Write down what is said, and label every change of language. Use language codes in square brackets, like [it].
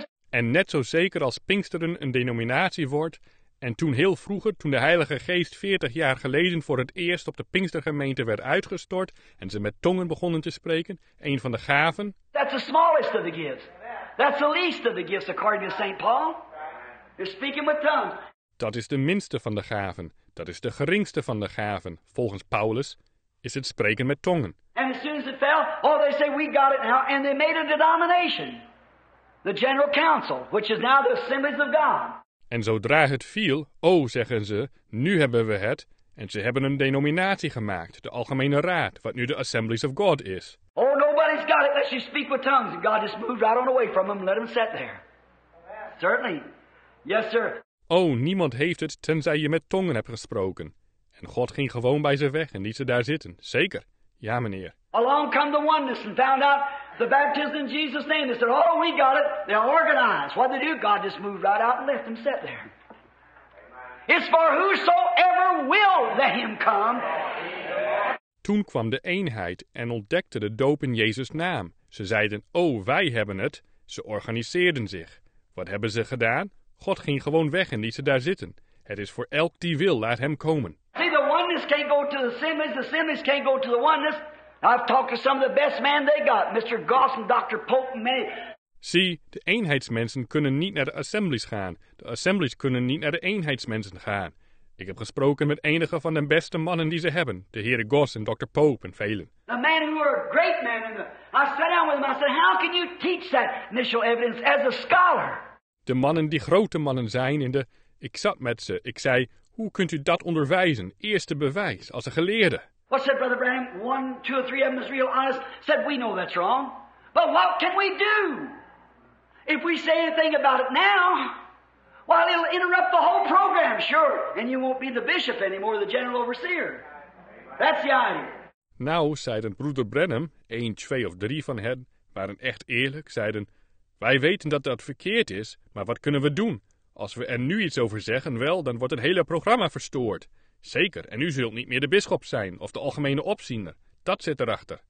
[nl] En net zo zeker als Pinksteren een denominatie wordt, en toen heel vroeger, toen de Heilige Geest 40 jaar geleden voor het eerst op de Pinkstergemeente werd uitgestort en ze met tongen begonnen te spreken, een van de gaven. [en] That's the smallest of the gifts. That's the least of the gifts, according to St. Paul. You're speaking with tongues. [nl] Dat is de minste van de gaven. Dat is de geringste van de gaven, volgens Paulus. Is het spreken met tongen. [en] And as soon as it fell, oh, they say we got it now, and they made a denomination. The General Council, which is now the Assemblies of God. [nl] En zodra het viel, oh, zeggen ze, nu hebben we het. En ze hebben een denominatie gemaakt, de Algemene Raad, wat nu de Assemblies of God is. [en] Oh, nobody's got it unless you speak with tongues. And God just moved right on away from them and let them sit there. Amen. Certainly. Yes, sir. [nl] Oh, niemand heeft het tenzij je met tongen hebt gesproken. En God ging gewoon bij ze weg en liet ze daar zitten. Zeker. Ja, meneer. [en] Along come the oneness and found out the baptism in Jesus' name. They said, oh, we got it. They're organized. What did they do? God just moved right out and left them set there. Amen. It's for whosoever will let him come. [nl] Toen kwam de eenheid en ontdekte de doop in Jezus' naam. Ze zeiden, oh, wij hebben het. Ze organiseerden zich. Wat hebben ze gedaan? God ging gewoon weg en liet ze daar zitten. Het is voor elk die wil, laat hem komen. [en] See, the oneness can't go to the assemblies. The assemblies can't go to the oneness. I've talked to some of the best men they got, Mr. Goss and Dr. Pope and many. [nl] See, de eenheidsmensen kunnen niet naar de assemblies gaan. De assemblies kunnen niet naar de eenheidsmensen gaan. Ik heb gesproken met enige van de beste mannen die ze hebben, de heren Goss en Dr. Pope en velen. [en] The man who were a great man, I sat down with him, I said, how can you teach that initial evidence as a scholar? [nl] De mannen die grote mannen zijn in de, ik zat met ze, ik zei, hoe kunt u dat onderwijzen, eerste bewijs, als een geleerde? [en] What said Brother Branham? One, two, or three of them is real honest. Said, we know that's wrong. But what can we do? If we say anything about it now, well, it'll interrupt the whole program, sure. And you won't be the bishop anymore, the general overseer. That's the idea. [nl] Nou, zeiden Brother Branham, één, twee of drie van hen, waren echt eerlijk, zeiden, wij weten dat dat verkeerd is, maar wat kunnen we doen? Als we er nu iets over zeggen, wel, dan wordt het hele programma verstoord. Zeker, en u zult niet meer de bisschop zijn of de algemene opziener. Dat zit erachter.